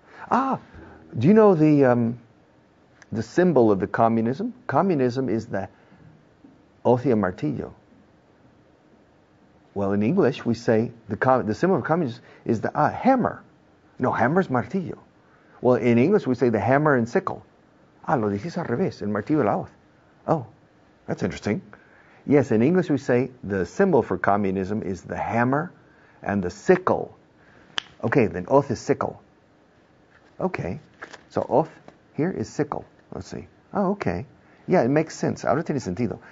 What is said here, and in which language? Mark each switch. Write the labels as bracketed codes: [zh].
[en] Ah, do you know the symbol of the communism? Communism is the oath [es] y el martillo. [en] Well, in English, we say the symbol of communism is the hammer. No, hammer's martillo. Well, in English, we say the hammer and sickle. [es] Ah, lo dijiste al revés, el martillo y la hoz. [en] Oh, that's interesting. Yes, in English we say the symbol for communism is the hammer and the sickle. Okay, then oath is sickle. Okay, so oath here is sickle. Let's see. Oh, okay. Yeah, it makes sense. [es] Ahora tiene sentido.